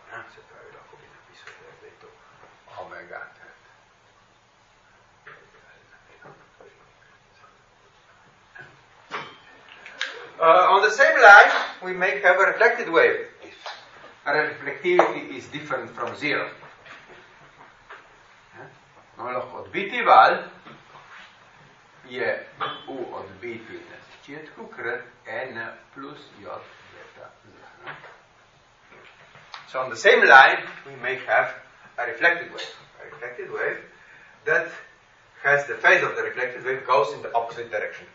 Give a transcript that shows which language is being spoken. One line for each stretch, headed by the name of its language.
Slovenian: Se pravi, lahko bi napisali, da je to omega.
English: On the same line, we may have a reflected wave, if reflectivity is different from zero.
Slovenian: No, lahko odbiti val je u odbiti na začetku krat n plus j beta z.
English: So on the same line we may have a reflected wave. A reflected wave that has the phase of the reflected wave goes in the opposite direction.